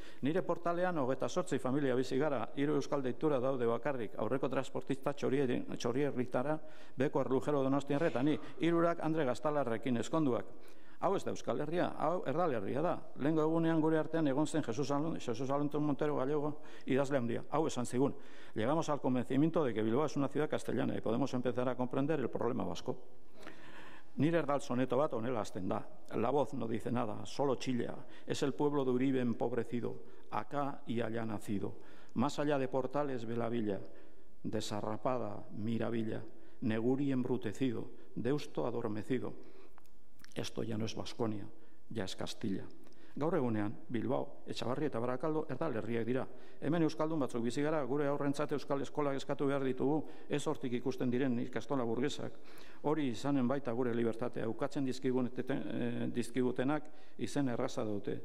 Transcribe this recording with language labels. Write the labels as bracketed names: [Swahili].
[Basque] Nire portalean 28 familia bizi gara, hiru euskal deitura daude bakarrik, aurreko transportista txorierritara, beko erlujero Donostiarretan, hirurak Andre Gaztalarrekin ezkonduak. Hau ez da Euskal Herria, hau Erdal Herria da. Lehengo egunean gure artean egon zen Jesús Alonso Montero Gallego idazle handia. Hau esan zigun. [Spanish] Llegamos al convencimiento de que Bilbao es una ciudad castellana y podemos empezar a comprender el problema vasco. [Basque] Nire Erdal soneto bat honela hasten da. [Spanish] La voz no dice nada, solo chilla. Es el pueblo de Uribe empobrecido, acá y allá nacido. Más allá de portales ve la villa, desarrapada Miravilla, Neguri embrutecido, Deusto adormecido. Esto ya no es Baskonia, ya es Castilla. [Basque] Gaur egunean, Bilbao, Etxabarri eta Barakaldo Erdal Herriak dira. Hemen euskaldun batzuk bizi gara, gure aurrentzat euskal eskolak eskatu behar ditugu, ez hortik ikusten diren ikastola burgesak. Hori izanen baita gure libertatea, ukatzen dizkigutenak izen erraza dute.